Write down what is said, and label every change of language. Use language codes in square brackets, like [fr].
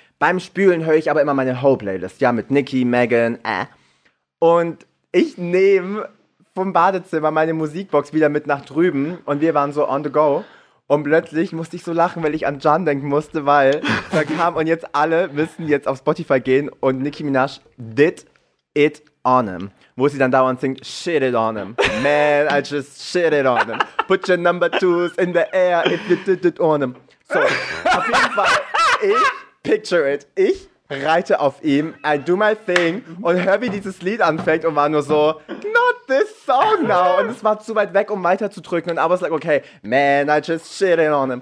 [de] Beim Spülen höre ich aber immer meine Ho-Playlist, ja, mit Nicki, Megan, Und ich nehme vom Badezimmer meine Musikbox wieder mit nach drüben und wir waren [en] so on the go. [de] Und plötzlich musste ich so lachen, weil ich an Jan denken musste, weil da kam und jetzt alle müssen jetzt auf Spotify gehen und Nicki Minaj [en] did it on him. [de] Wo sie dann dauernd singt, [en] shit it on him. Man, I just shit it on him. Put your number twos in the air if you did it on him. [de] So, auf jeden Fall, ich [en] picture it. [de] Ich reite auf ihm, [en] I do my thing [de] und hör, wie dieses Lied anfängt und war nur so, [en] not this song now. [de] Und es war zu weit weg, um weiter zu drücken. Und [en] I was like, okay, man, I just shit it on him.